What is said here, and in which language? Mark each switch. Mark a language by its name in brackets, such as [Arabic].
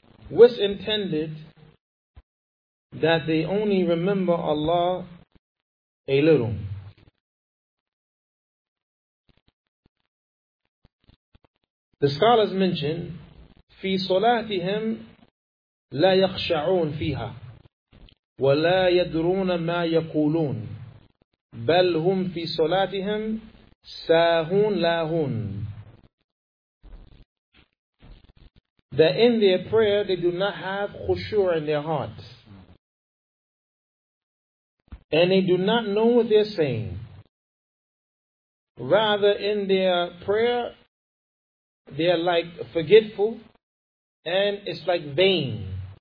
[English] What's intended that they only remember Allah a little? The scholars mention, [Arabic] في صلاتهم لا يخشعون فيها ولا يدرون ما يقولون بل هم في صلاتهم ساهون لاهون. [English] That in their prayer they do not have khushu' in their heart, and they do not know what they're saying. Rather, in their prayer, they are like forgetful, and it's like vain.